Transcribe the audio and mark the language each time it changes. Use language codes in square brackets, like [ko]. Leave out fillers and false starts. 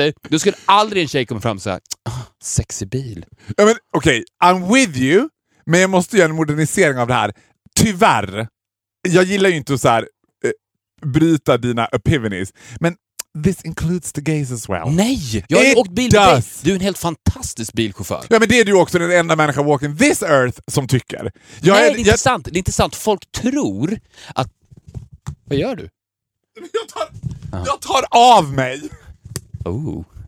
[sv] Du skulle aldrig en tjej komma fram så här, sexy bil. Ja, men okej, okay. [en] I'm with you, [sv] men jag måste göra en modernisering av det här. Tyvärr, jag gillar ju inte att så här, bryta dina epiphanies. [en] Men this includes the gays as well. [sv] Nej, jag har ju åkt bil med dig. Du är en helt fantastisk bilchaufför. Ja, men det är du också, den enda människa [en] walking this earth [sv] som tycker. Det är inte sant. Folk tror att... Vad gör du? Jag tar av mig. Oh.